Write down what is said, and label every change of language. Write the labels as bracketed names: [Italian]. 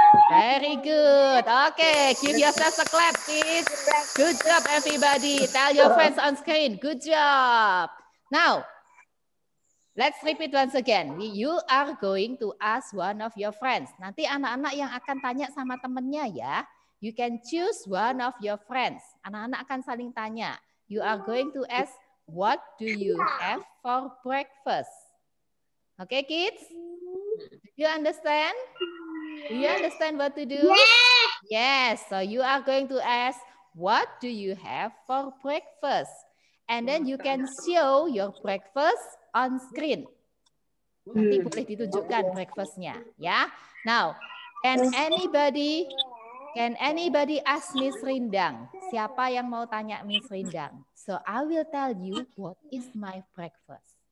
[English] Very good. Okay, give yourself a clap, please. Good job, everybody. Tell your friends on screen. Good job. Now, let's repeat once again. You are going to ask one of your friends. [Indonesian] Nanti anak-anak yang akan tanya sama temennya ya. [English] You can choose one of your friends. [Indonesian] Anak-anak akan saling tanya. [English] You are going to ask, what do you have for breakfast? Okay, kids? You understand? Do you understand what to do? Yes. So you are going to ask, what do you have for breakfast? And then you can show your breakfast on screen. [Indonesian] Nanti boleh ditunjukkan breakfastnya, ya. [English] Now, can anybody ask Miss Rindang? [Indonesian] Siapa yang mau tanya Miss Rindang? [English] So I will tell you what is my breakfast.